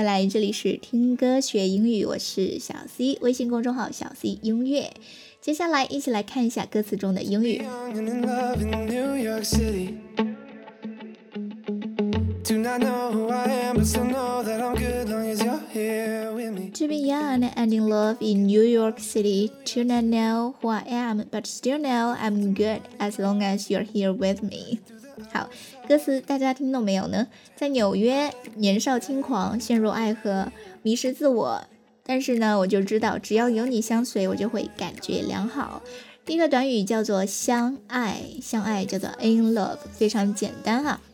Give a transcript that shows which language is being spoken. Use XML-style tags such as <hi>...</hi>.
<zh>这里是听歌学英语，我是小 C， 微信公众号小 C 音乐。接下来一起来看一下歌词中的英语。</zh> <en>To be young and in love in New York City, to not know who I am, but still know I'm good as long as you're here with me.</en> <zh>好，歌词大家听懂没有呢？在纽约年少轻狂，陷入爱河，迷失自我，但是呢我就知道只要有你相随，我就会感觉良好。第一个短语叫做相爱，相爱叫做 in love， 非常简单啊。</zh>